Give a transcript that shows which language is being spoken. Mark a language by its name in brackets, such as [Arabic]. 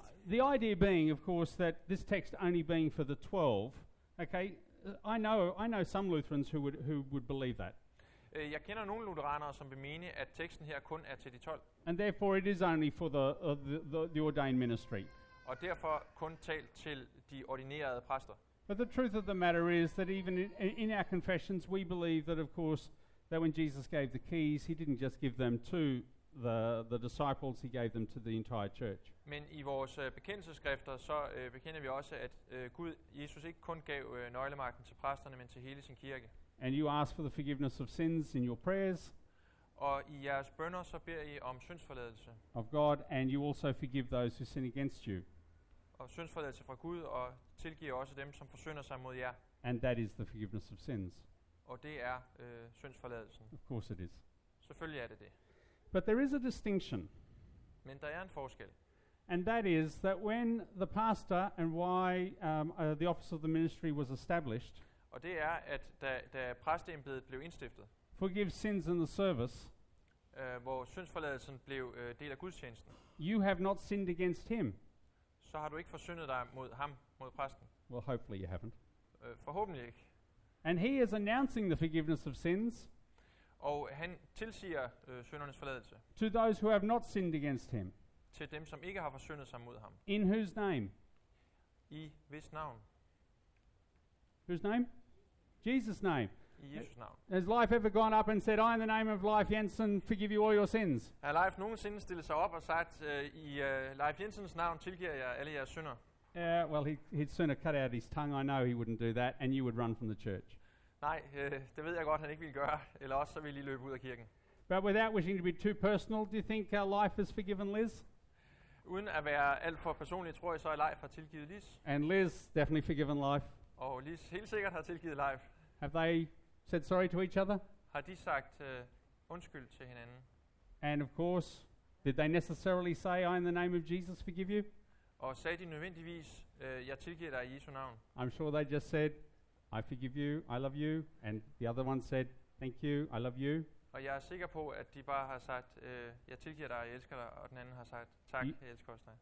[English] The idea being, of course, that this text only being for the 12, okay? I know some Lutherans who would believe that. [Danish] Jeg kender nogle lutheranere, som vil mene, at teksten her kun er til de 12. [English] And therefore it is only for the ordained ministry. [Danish] Og derfor kun talt til de ordinerede præster. [English] But the truth of the matter is that even in our confessions we believe that of course that when Jesus gave the keys he didn't just give them to the disciples, he gave them to the entire church. [Danish] Men i vores bekendelsesskrifter så bekender vi også at Gud Jesus ikke kun gav nøglemagten til præsterne, men til hele sin kirke. [English] And you ask for the forgiveness of sins in your prayers. [Danish] Og i jeres bønner så beder I om syndsforladelse. [English] Of God, and you also forgive those who sin against you. [Danish] Og syndsforladelse fra Gud og tilgiver også dem som forsynder sig mod jer. [English] And that is the forgiveness of sins. [Danish] Og det er syndsforladelsen. [English] Of course it is. [Danish] Selvfølgelig er det det. [English] But there is a distinction. [Danish] Men der er en forskel. [English] And that is that when the pastor and why the office of the ministry was established. [Danish] Og det er at da præsteembedet blev indstiftet. [English] Forgive sins in the service. [Danish] Hvor syndsforladelsen blev del af gudstjenesten. [English] You have not sinned against him. [Danish] Så har du ikke forsyndet dig mod ham, mod præsten. [English] Well, hopefully you haven't. [Danish] Forhåbentlig ikke. [English] And he is announcing the forgiveness of sins. [Danish] Og han tilsiger syndernes forladelse. [English] To those who have not sinned against him. [Danish] Til dem, som ikke har forsyndet sig mod ham. [English] In whose name? [Danish] I hvis navn? [English] Whose name? Jesus' name. [Danish] I Jesus' navn. [English] Has Life ever gone up and said, I in the name of Life Jensen forgive you all your sins? [Danish] Har Life nogensinde stillet sig op og sagt, i Life Jensens navn tilgiver jeg alle jeres synder? [English] Yeah, well, he'd sooner cut out his tongue. I know he wouldn't do that, and you would run from the church. [Danish] Nej, det ved jeg godt, han ikke ville gøre. Eller også, så ville I løbe ud af kirken. [English] But without wishing to be too personal, do you think Life has forgiven Liz? [Danish] Uden at være alt for personlig, tror jeg så, at Life har tilgivet Liz. [English] And Liz definitely forgiven Life. [Danish] Og Liz helt sikkert har tilgivet Life. [English] Have they said sorry to each other? [Danish] Har de sagt undskyld til hinanden? [English] And of course, did they necessarily say, I in the name of Jesus forgive you? [Danish] Og sagde de nødvendigvis, jeg tilgiver dig i Jesu navn. [English] I'm sure they just said, I forgive you, I love you, and the other one said, thank you, I love you. [Danish] Og jeg er sikker på, at de bare har sagt, jeg tilgiver dig, jeg elsker dig, og den anden har sagt, tak, jeg elsker også dig.